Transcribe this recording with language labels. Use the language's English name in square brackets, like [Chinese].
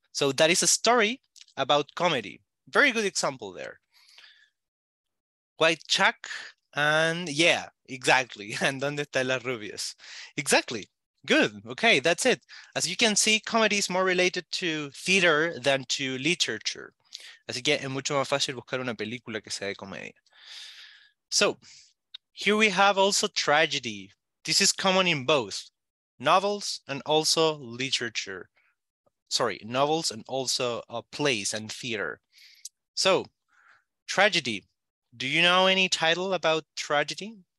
[English] So that is a story about comedy. Very good example there. White Chuck, and yeah, exactly. And Donde Están Las Rubias. Exactly. Good. Okay, that's it. As you can see, comedy is more related to theater than to literature. [Spanish] Así que es mucho más fácil buscar una película que sea de comedia. [English] So, here we have also tragedy. This is common in both novels and also literature. Sorry, novels and also plays and theater. So, tragedy. Do you know any title about tragedy?